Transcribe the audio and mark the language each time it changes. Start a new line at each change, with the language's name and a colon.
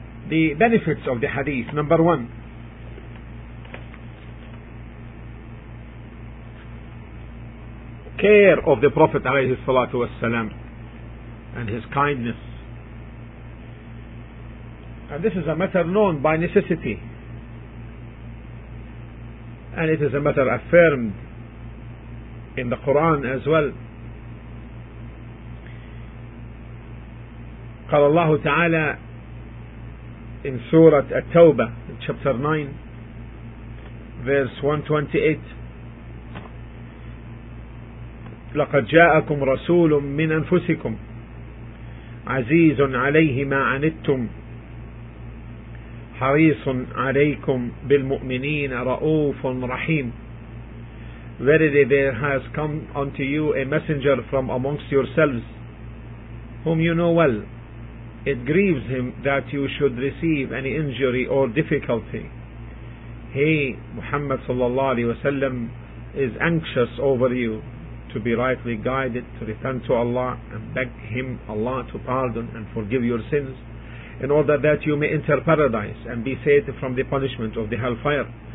English: The benefits of the hadith: number one, care of the Prophet alayhi salatu wasalam and his kindness. And this is a matter known by necessity, and it is a matter affirmed in the Quran as well.
Arabic: قال الله تعالى
English: in Surah At-Tawbah, chapter 9, verse 128,
Arabic: لقد جاءكم رسول من أنفسكم عزيز عليه ما عنتم حريص عليكم بالمؤمنين رؤوف رحيم.
English: Verily there has come unto you a messenger from amongst yourselves whom you know well. It grieves him that you should receive any injury or difficulty. He, Muhammad sallallahu alayhi wasallam, is anxious over you to be rightly guided, to return to Allah and beg Him, Allah, to pardon and forgive your sins in order that you may enter paradise and be saved from the punishment of the hellfire.